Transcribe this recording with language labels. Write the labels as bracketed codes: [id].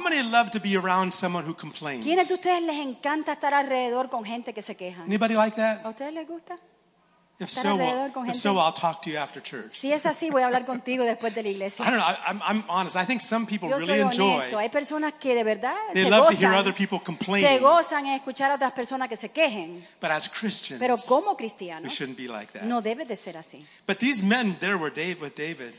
[en] How many love to be around someone who complains? [es] ¿Quiénes de ustedes les encanta estar alrededor con gente que se queja? [en] Anybody like that? [es] ¿A ustedes les gusta? [en] If so, I'll talk to you after church. [es] Si es así, voy a hablar contigo después de la iglesia. [en] I don't know. I'm honest. I think some people really enjoy. [es] Yo soy honesto. Hay personas que de verdad [en] they love to hear other people complain. [es] Se gozan en escuchar a otras personas que se quejen. [en] But as Christians, [es] pero como cristianos, [en] we shouldn't be like that. [es] No debe de ser así. [en] But these men there were Dave with David.